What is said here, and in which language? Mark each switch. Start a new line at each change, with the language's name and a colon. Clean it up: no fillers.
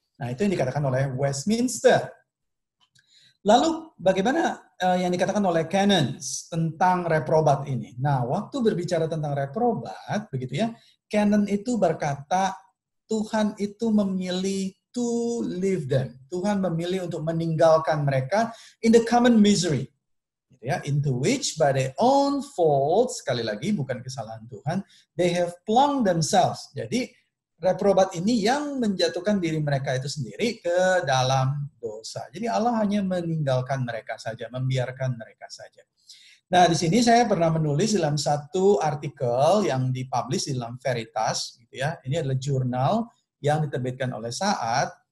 Indonesian: Nah, itu yang dikatakan oleh Westminster. Lalu bagaimana yang dikatakan oleh canons tentang reprobat ini? Nah, waktu berbicara tentang reprobat, begitu ya, canon itu berkata Tuhan itu memilih
English: to leave them.
Indonesian: Tuhan memilih untuk meninggalkan mereka
English: in the common misery.
Indonesian: Gitu ya,
English: into which by their own fault,
Indonesian: sekali lagi bukan kesalahan Tuhan,
English: they have plunged themselves.
Indonesian: Jadi reprobat ini yang menjatuhkan diri mereka itu sendiri ke dalam dosa. Jadi Allah hanya meninggalkan mereka saja, membiarkan mereka saja. Nah, di sini saya pernah menulis dalam satu artikel yang dipublish di dalam Veritas, gitu ya. Ini adalah jurnal yang diterbitkan oleh Saat.